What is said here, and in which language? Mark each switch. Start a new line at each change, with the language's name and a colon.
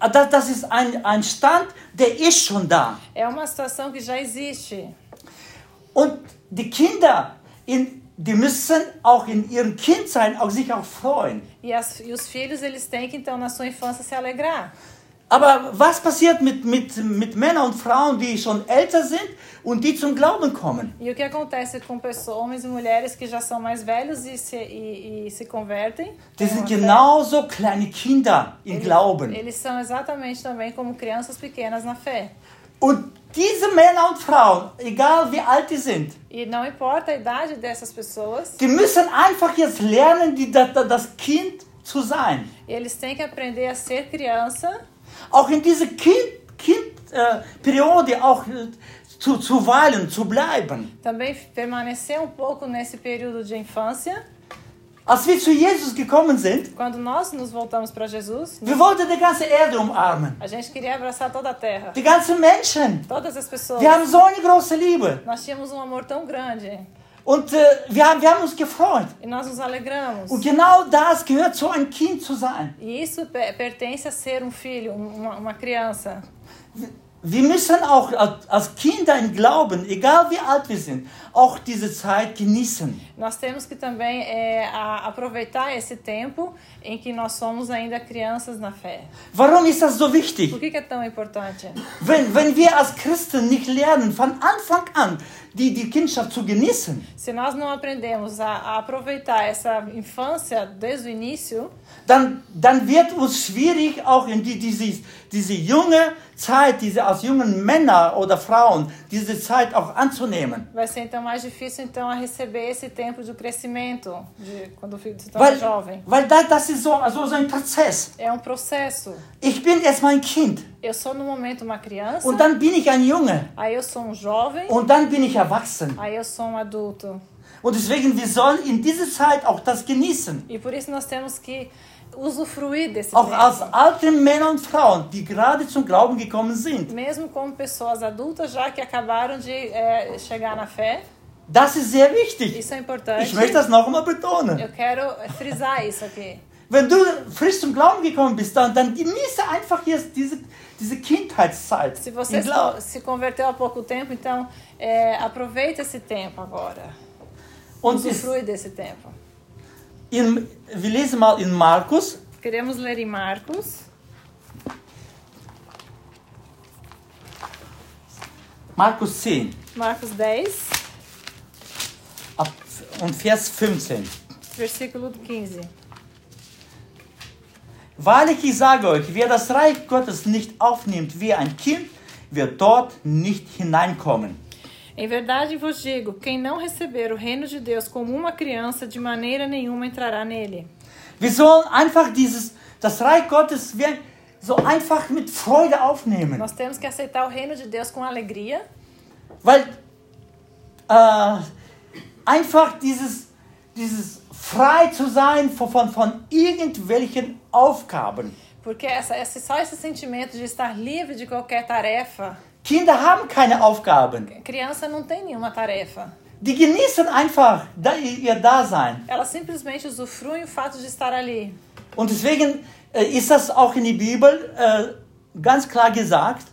German: Das ist ein Stand, der ist schon da.
Portuguese: É uma situação que já existe.
German: Und die Kinder die müssen auch in ihrem Kindsein auch sich auch freuen.
Portuguese: E os filhos eles têm que então na sua infância se alegrar.
German: Aber was passiert mit Männern und Frauen, die schon älter sind und die zum Glauben kommen?
Portuguese: E o que acontece com pessoas, homens e mulheres que já são mais velhos e se convertem?
German: Die sind genauso kleine Kinder im Glauben.
Portuguese: Eles são exatamente também como crianças pequenas na fé.
German: Und diese Männer und Frauen, egal wie alt sie sind,
Portuguese: e não importa a idade dessas pessoas,
German: die müssen einfach jetzt lernen, das Kind zu sein.
Portuguese: Eles têm que aprender a ser criança.
German: Auch in dieser Kind-Periode auch zu weilen, zu bleiben.
Portuguese: Também permanecer pouco nesse período de infância.
German: Als wir zu Jesus gekommen sind,
Portuguese: quando nós nos voltamos para Jesus,
German: wir wollten die ganze Erde umarmen.
Portuguese: A gente queria abraçar toda a terra.
German: Die ganzen Menschen.
Portuguese: Todas as pessoas.
German: Wir haben so eine große Liebe.
Portuguese: Nós tínhamos amor tão grande.
German: Und wir haben uns gefreut.
Portuguese: E nós nos alegramos.
German: Und genau das gehört zu einem Kind zu sein.
Portuguese: E isso pertence a ser filho, uma criança.
German: Wir müssen auch als Kinder im Glauben, egal wie alt wir sind, auch diese Zeit genießen.
Portuguese: Nós temos que também aproveitar esse tempo em que nós somos ainda crianças na fé.
German: Warum ist das so wichtig?
Portuguese: Por que é tão importante?
German: Wenn wir als Christen nicht lernen, von Anfang an die Kindschaft zu genießen,
Portuguese: se nós não aprendemos a aproveitar essa infância desde o início,
German: dann wird es schwierig, auch in diese junge Zeit, diese als jungen Männer oder Frauen diese Zeit auch anzunehmen.
Portuguese: Vai ser então mais difícil então a receber esse tempo de crescimento de quando você está jovem.
German: Weil das ist so ein Prozess.
Portuguese: É um processo.
German: Ich bin erstmal ein Kind.
Portuguese: Eu sou no momento uma criança.
German: Und dann bin ich ein Junge.
Portuguese: Aí eu sou um jovem.
German: Und dann bin ich erwachsen.
Portuguese: Aí eu sou um adulto.
German: Und deswegen wir sollen in dieser Zeit auch das genießen.
Portuguese: E por isso nós temos que usufruir desse tempo.
German: Auch als alte Männer und Frauen, die gerade zum Glauben gekommen sind.
Portuguese: Mesmo como pessoas adultas já que acabaram de chegar na fé.
German: Das ist sehr wichtig.
Portuguese: Isso é importante.
German: Ich möchte das noch einmal betonen.
Portuguese: Eu quero frisar isso aqui.
German: Wenn du frisch zum Glauben gekommen bist, dann genieße einfach jetzt diese Kindheitszeit.
Portuguese: Se você se converteu há pouco tempo, então aproveite esse tempo agora.
German: Und
Portuguese: usufrui desse tempo.
German: Wir lesen mal in Markus.
Portuguese: Queremos ler em Marcos.
German: Markus 10.
Portuguese: Markus 10.
German: Und Vers 15.
Portuguese: Versículo 15.
German: Wahrlich, ich sage euch, wer das Reich Gottes nicht aufnimmt wie ein Kind, wird dort nicht hineinkommen.
Portuguese: Em verdade vos digo, quem não receber o reino de Deus como uma criança, de maneira nenhuma entrará nele.
German: Wir sollen einfach das Reich Gottes so einfach mit Freude aufnehmen.
Portuguese: Nós temos que aceitar o reino de Deus com alegria.
German: Weil einfach dieses frei zu sein von irgendwelchen Aufgaben.
Portuguese: Porque esse sentimento de estar livre de qualquer tarefa.
German: Kinder haben keine Aufgaben.
Portuguese: Criança não tem nenhuma tarefa.
German: Die genießen einfach ihr Dasein.
Portuguese: Elas simplesmente usufruem o fato de estar ali.
German: Und deswegen ist das auch in der Bibel ganz klar gesagt.